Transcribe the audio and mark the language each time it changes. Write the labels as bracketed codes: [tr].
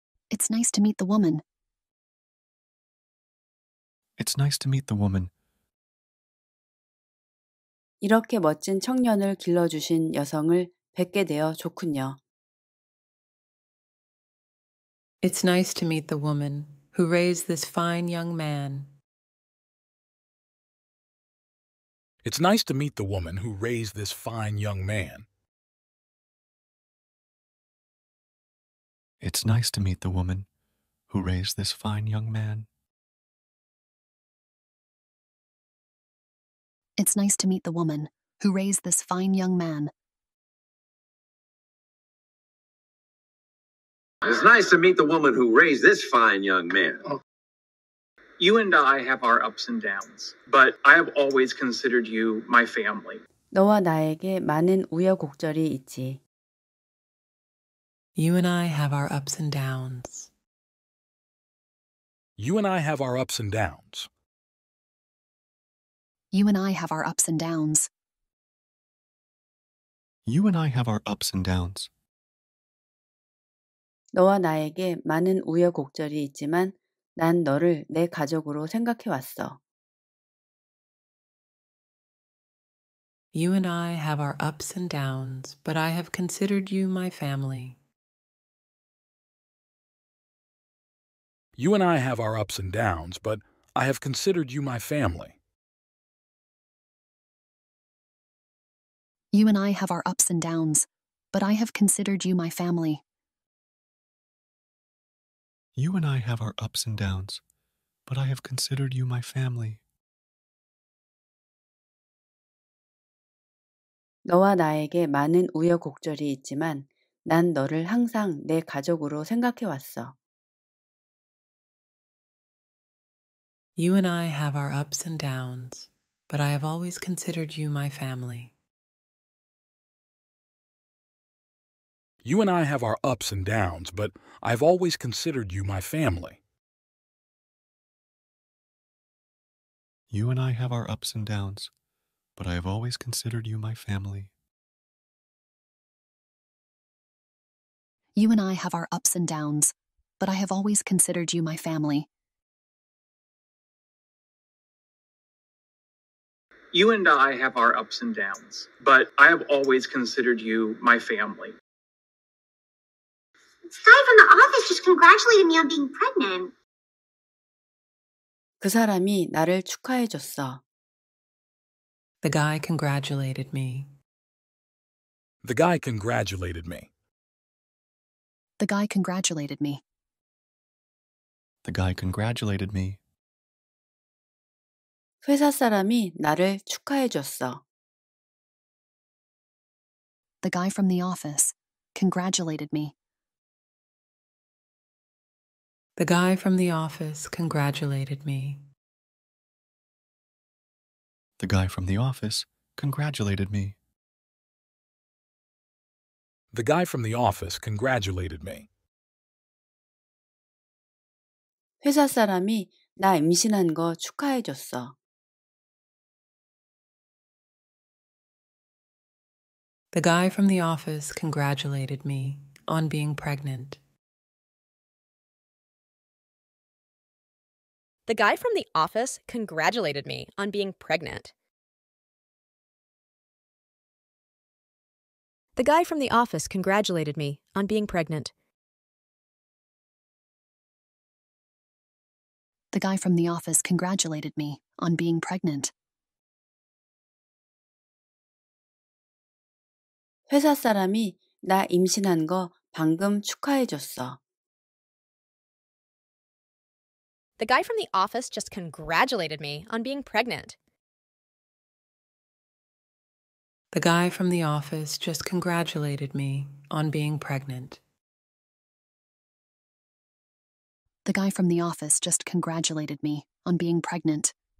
[en] It's nice to meet the woman. It's nice to meet the woman. [ko] 이렇게 멋진 청년을 길러주신 여성을 뵙게 되어 좋군요. [en] It's nice to meet the woman who raised this fine young man. It's nice to meet the woman who raised this fine young man. It's nice to meet the woman who raised this fine young man. It's nice to meet the woman who raised this fine young man. It's nice to meet the woman who raised this fine young man. You and I have our ups and downs, but I have always considered you my family. [ko] 너와 나에게 많은 우여곡절이 있지. [en] You and I have our ups and downs. You and I have our ups and downs. You and I have our ups and downs. You and I have our ups and downs. [ko] 너와 나에게 많은 우여곡절이 있지만 난 너를 내 가족으로 생각해 왔어. [en] You and I have our ups and downs, but I have considered you my family. You and I have our ups and downs, but I have considered you my family. You and I have our ups and downs, but I have considered you my family. You and I have our ups and downs, but I have considered you my family. [ko] 너와 나에게 많은 우여곡절이 있지만 난 너를 항상 내 가족으로 생각해 왔어. [en] You and I have our ups and downs, but I have always considered you my family. You and I have our ups and downs, but I've always considered you my family. You and I have our ups and downs, but I have always considered you my family. You and I have our ups and downs, but I have always considered you my family. You and I have our ups and downs, but I have always considered you my family. This guy from the office just congratulated me on being pregnant. [ko] 그 사람이 나를 축하해 줬어. [en] The guy congratulated me. The guy congratulated me. The guy congratulated me. The guy congratulated me. [ko] 회사 사람이 나를 축하해 줬어. [en] The guy from the office congratulated me. The guy from the office congratulated me. The guy from the office congratulated me. The guy from the office congratulated me. [ko] 회사 사람이 나 임신한 거 축하해 줬어. [en] The guy from the office congratulated me on being pregnant. The guy from the office congratulated me on being pregnant. The guy from the office congratulated me on being pregnant. The guy from the office congratulated me on being pregnant. [ko] 회사 사람이 나 임신한 거 방금 축하해 줬어. [en] The guy from the office just congratulated me on being pregnant. The guy from the office just congratulated me on being pregnant. The guy from the office just congratulated me on being pregnant.